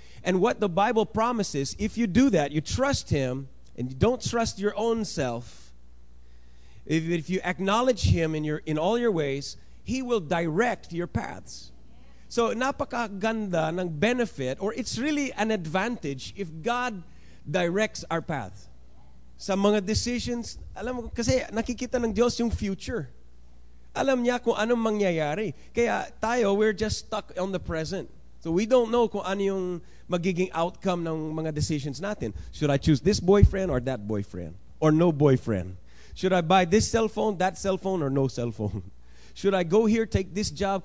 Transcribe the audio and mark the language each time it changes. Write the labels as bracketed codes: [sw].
[en] And what the Bible promises, if you do that, you trust Him, and you don't trust your own self, if you acknowledge Him in all your ways, He will direct your paths. So, [tl] napakaganda ng [en] benefit, or it's really an advantage if God directs our path. [tl] Sa mga decisions, alam mo, kasi nakikita ng Diyos yung future. Alam niya kung anong mangyayari. Kaya tayo, [en] we're just stuck on the present. So we don't know [tl] kung ano yung magiging [en] outcome [tl] ng mga [en] decisions [tl] natin. [en] Should I choose this boyfriend or that boyfriend? Or no boyfriend? Should I buy this cell phone, that cell phone, or no cell phone? Should I go here, take this job?